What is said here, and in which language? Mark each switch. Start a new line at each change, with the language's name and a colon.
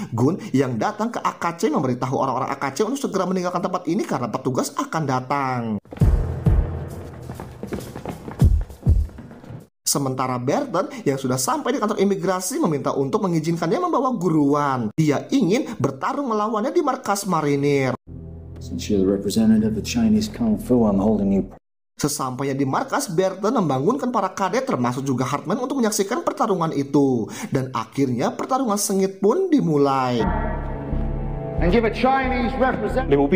Indonesian: Gun yang datang ke AKC memberitahu orang-orang AKC untuk segera meninggalkan tempat ini karena petugas akan datang. Sementara Burton yang sudah sampai di kantor imigrasi meminta untuk mengizinkannya membawa Guru Wan. Dia ingin bertarung melawannya di markas marinir.
English: Since you're the representative of Chinese Kung Fu, I'm holding you.
Indonesian: Sesampainya di markas, Burton membangunkan para kadet termasuk juga Hartman untuk menyaksikan pertarungan itu. Dan akhirnya pertarungan sengit pun dimulai.
English: And give a Chinese representative.